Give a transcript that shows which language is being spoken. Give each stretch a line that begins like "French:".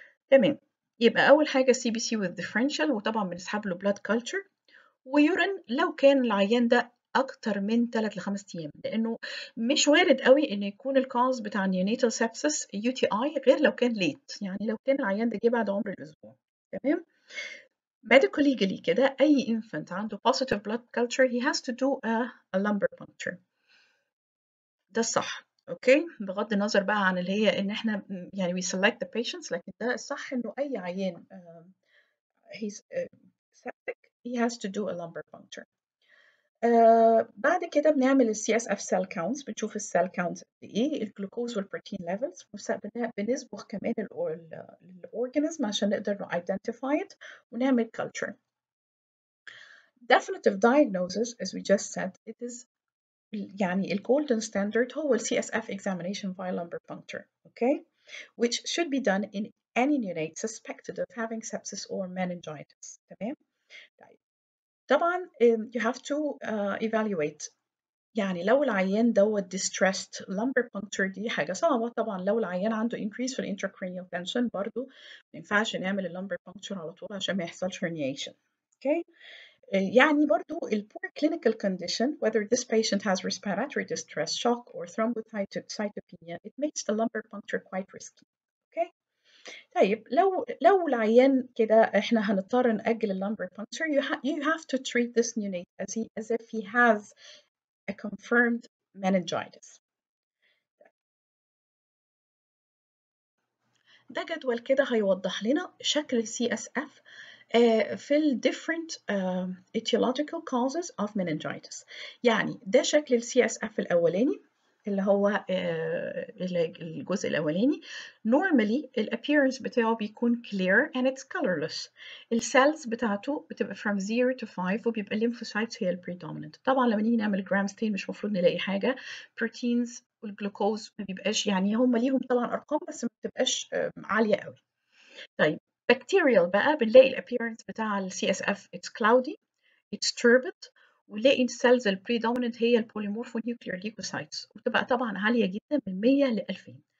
Arabic: تمام, يبقى اول حاجة CBC with differential وطبعا بنسحب له blood culture ويورين لو كان العيان ده اكتر من 3-5 ايام لانه مش وارد قوي ان يكون الكاز بتاع neonatal sepsis UTI غير لو كان late يعني لو كان العيان ده جه بعد عمر الاسبوع.
English: تمام, medically كده اي infant عنده positive blood culture he has to do a lumbar puncture.
Arabic: ده صح, اوكي, بغض النظر بقى عن اللي هي ان احنا يعني
English: we select the patients,
Arabic: لكن ده صح انه اي عيان
English: he's septic he has to do a lumbar puncture.
Arabic: بعد كده بنعمل ال CSF cell counts, بنشوف ال cell counts ايه, الجلوكوز والبروتين levels, بنسبخ كمان ال organism عشان نقدر identify it ونعمل culture.
English: Definitive diagnosis, as we just said, it is يعني ال golden standard هو ال CSF examination via lumbar puncture, okay? Which should be done in any neonate suspected of having sepsis or meningitis, تمام؟ طبعاً you have to evaluate
Arabic: يعني لو العيان دوا
English: distressed lumbar puncture
Arabic: دي حاجة صعبة. طبعاً لو العيان عنده increase في intracranial tension برضو مينفعش نعمل lumbar puncture على طول عشان ما يحصلش herniation.
English: Okay.
Arabic: يعني برضو ال
English: poor clinical condition whether this patient has respiratory distress shock or thrombocytopenia it makes the lumbar puncture quite risky. Okay.
Arabic: طيب لو العيان كده احنا هنضطر نأجل اللامبر بانكتشر
English: you have to treat this neonate as if he has a confirmed meningitis.
Arabic: ده جدول كده هيوضح لنا شكل CSF في ال different etiological causes of meningitis. يعني ده شكل CSF الأولاني اللي هو الجزء الأولاني.
English: Normally the appearance
Arabic: بتاعه بيكون
English: clear and it's colorless.
Arabic: السيلز بتاعته بتبقى
English: from 0 to 5
Arabic: وبيبقى lymphocytes هي predominant. طبعا لما نيجي نعمل جرام ستين مش مفروض نلاقي حاجة. Proteins والجلوكوز ما بيبقاش يعني هم ليهم طبعا أرقام بس ما بتبقاش عالية قوي. طيب bacterial بقى بنلاقي appearance بتاع CSF
English: it's cloudy, it's turbid
Arabic: ونلاقي السيلز البريدومينانت هي البوليمورفونيوكليير ليكوسايتس وتبقى طبعا عاليه جدا من 100 ل 2000.